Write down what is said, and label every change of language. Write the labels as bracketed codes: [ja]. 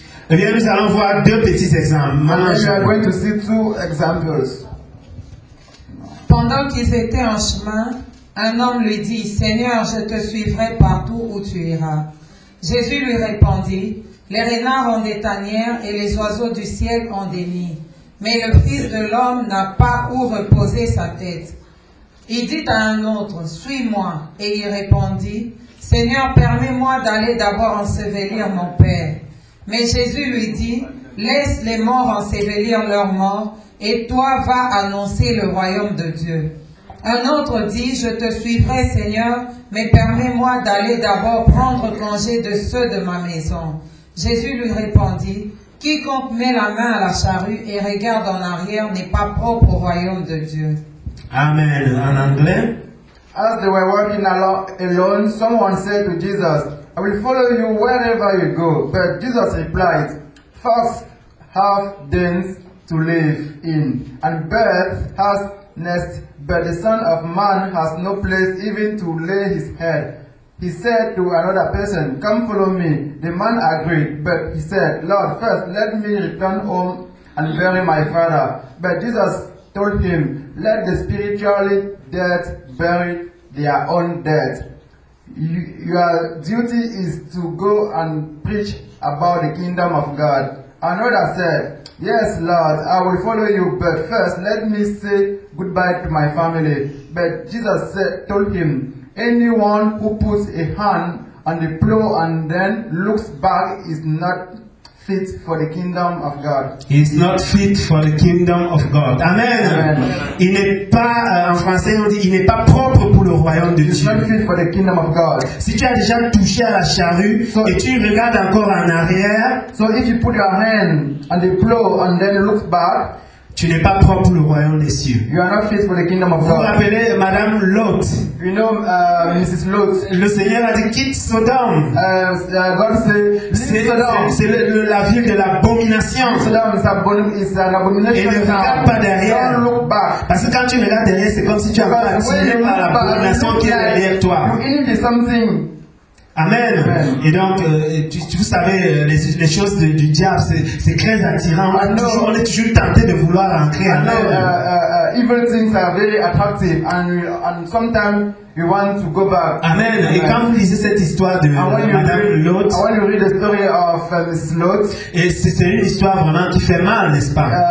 [fr] Eh bien, nous allons voir deux petits exemples. [en] And we are going to see two examples. [fr] Pendant qu'ils étaient en chemin, un homme lui dit, « Seigneur, je te suivrai partout où tu iras. » Jésus lui répondit, « Les renards ont des tanières et les oiseaux du ciel ont des nids. Mais le Fils de l'homme n'a pas où reposer sa tête. » Il dit à un autre, « Suis-moi. » Et il répondit, « Seigneur, permets-moi d'aller d'abord ensevelir mon Père. » Mais Jésus lui dit, « Laisse les morts ensevelir leurs morts. » Et toi, va annoncer le royaume de Dieu. Un autre dit, je te suivrai, Seigneur, mais permets-moi d'aller d'abord prendre congé de ceux de ma maison. Jésus lui répondit, quiconque met la main à la charrue et regarde en arrière n'est pas propre au royaume de Dieu. Amen. En anglais. [en] As they were walking alone, someone said to Jesus, I will follow you wherever you go. But Jesus replied, first half dens to live in, and birth has nest, but the Son of Man has no place even to lay his head. He said to another person, come follow me. The man agreed, but he said, Lord, first let me return home and bury my father. But Jesus told him, let the spiritually dead bury their own dead. Your duty is to go and preach about the kingdom of God. Another said, yes, Lord, I will follow you, but first let me say goodbye to my family. But Jesus said, told him, anyone who puts a hand on the plow and then looks back is not fit for the kingdom of God. He's not fit for the kingdom of God. Amen. Amen. [fr] Il n'est pas, en français on dit, il n'est pas propre pour le royaume de Dieu. [en] He's not fit for the kingdom of God. [fr] Si tu as déjà touché à la charrue, [en] so, [fr] et tu regardes encore en arrière, [en] so if you put your hand on the plow and then look back, [fr] tu n'es pas propre pour le royaume des cieux. [en] You are not fit for the kingdom of God. [fr] Vous rappelez Madame Lot. [en] You know, Mrs. Lot. [fr] Le Seigneur a dit quitte Sodome. [en] God said, [fr] c'est Sodome. C'est la ville de l'abomination. [en] Sodome is an abomination. [fr] Et ne regarde pas derrière. [en] Don't look back. [fr] Parce que quand tu regardes derrière, c'est comme si tu avais attiré par l'abomination qui est derrière toi. [en] You envy something. Amen. [fr] Et donc, vous savez, les choses du diable, c'est très attirant. On est toujours tenté de vouloir entrer. Amen. [en] Evil things are very attractive, and sometimes you want to go back. Amen. [fr] Et quand vous lisez cette histoire de Madame Lot, [en] I want to read the story of Miss Lot. [fr] Et c'est une histoire vraiment qui fait mal, n'est-ce pas?